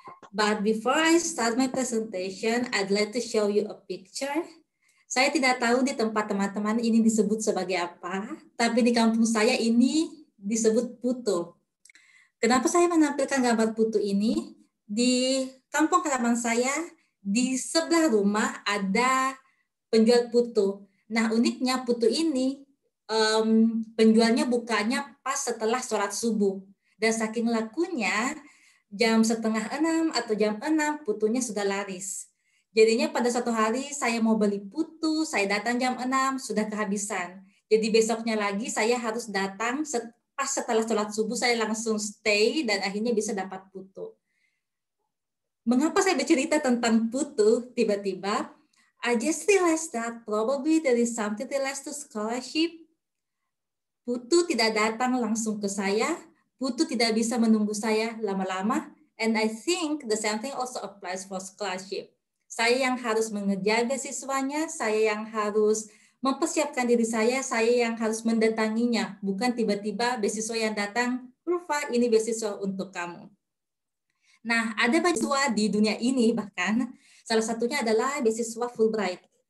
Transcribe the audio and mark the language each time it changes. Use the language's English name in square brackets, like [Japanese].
[English] But before I start my presentation, I'd like to show you a picture. [Indonesian] Saya tidak tahu di tempat teman-teman ini disebut sebagai apa, tapi di kampung saya ini disebut putu. Kenapa saya menampilkan gambar putu ini? Di kampung halaman saya, di sebelah rumah ada penjual putu. Nah, uniknya putu ini penjualnya bukanya pas setelah sholat subuh. Dan saking lakunya, jam 5:30 atau jam 6 putunya sudah laris. Jadinya pada suatu hari saya mau beli putu, saya datang jam 6 sudah kehabisan. Jadi besoknya lagi saya harus datang pas setelah sholat subuh, saya langsung stay dan akhirnya bisa dapat putu. Mengapa saya bercerita tentang putu tiba-tiba? [English] I just realized that probably there is something related to scholarship. [Indonesian] Putu tidak datang langsung ke saya. Putu tidak bisa menunggu saya lama-lama. [English] And I think the same thing also applies for scholarship. [Indonesian] Saya yang harus mengejar beasiswanya, saya yang harus mempersiapkan diri saya yang harus mendatanginya, bukan tiba-tiba beasiswa yang datang, Rufa, ini beasiswa untuk kamu. Nah, ada beasiswa di dunia ini bahkan, salah satunya adalah beasiswa Fulbright.